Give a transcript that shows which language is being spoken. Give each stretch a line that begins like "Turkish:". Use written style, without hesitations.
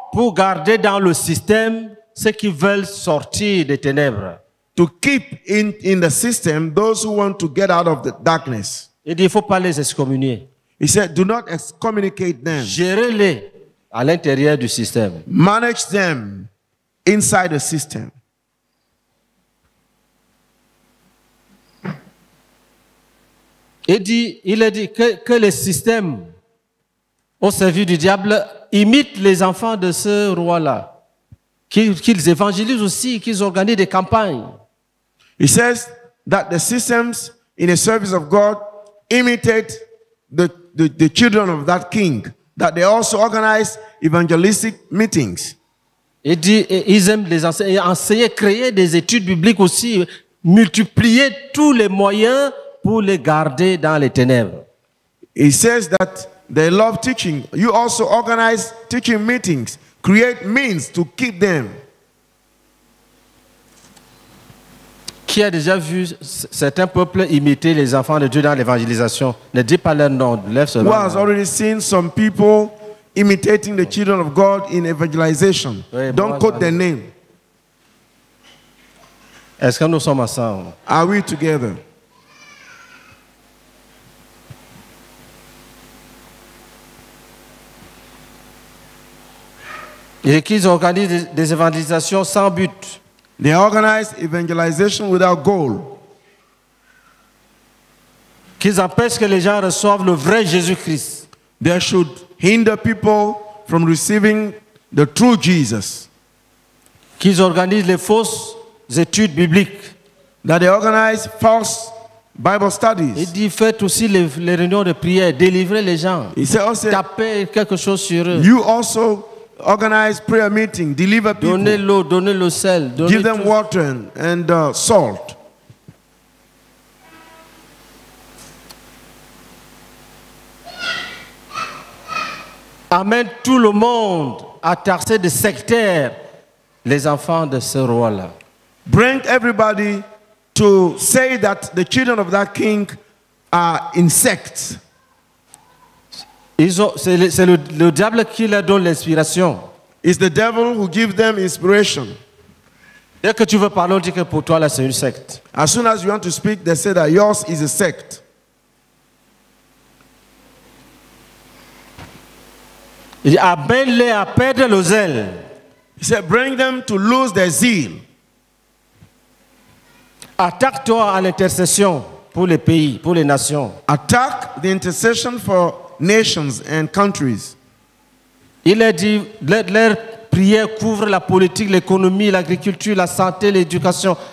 French: pour garder dans le système ceux qui veulent sortir des ténèbres.
English: To keep in the system those who want to get out of the darkness.
French: Il dit, il faut pas les excommunier.
English: He said, do not excommunicate them.
French: Gérez-les à l'intérieur du système.
English: Manage them inside the system.
French: Il a dit que le système au service du diable imite les enfants de ce roi-là, qu'ils évangélisent aussi, qu'ils organisent des campagnes.
English: He says that the systems in the service of God imitate the children of that king, that they also organize evangelistic meetings.
French: Il dit, ils aiment les enseigner, créer des études bibliques aussi, multiplier tous les moyens pour les garder dans les ténèbres.
English: He says that they love teaching. You also organize teaching meetings, create means to keep them.
French: Qui a déjà vu certains peuples imiter les enfants de Dieu dans l'évangélisation? Ne dis pas leur nom, lève seulement.
English: Who has already seen some people imitating the children of God in evangelization?
French: Oui,
English: don't quote their name.
French: Est-ce que nous sommes ensemble?
English: Are we together?
French: Et qu'ils organisent des évangélisations sans but.
English: They organize evangelization without goal.
French: Qu'ils empêchent que les gens reçoivent le vrai Jésus-Christ.
English: They should hinder people from receiving the true Jesus.
French: Qu'ils organisent les fausses études bibliques.
English: That they organize false Bible studies.
French: Il dit, faites aussi les réunions de prière, délivrez les gens.
English: He said also,
French: tapez quelque chose sur eux.
English: You also organize prayer meeting, deliver people.
French: Donnez l'eau, donnez le sel, donnez
English: give them
French: tout.
English: Water and salt.
French: Amène tout le monde à tasser de sectaires les enfants de ce roi-là.
English: Bring everybody to say that the children of that king are in sects.
French: C'est le diable qui leur donne l'inspiration.
English: It's the devil who gives them inspiration.
French: Dès que tu veux parler, on dit que pour toi, là, c'est une secte.
English: As soon as you want to speak, they say that yours is a sect.
French: Il dit, amène-les à perdre le zèle.
English: He said, bring them to lose their zeal.
French: Attaque-toi à l'intercession pour les pays, pour les nations.
English: Attack the intercession for nations and countries.
French: Il a dit, leur prière couvre la politique, l'économie, l'agriculture, la santé, l'éducation.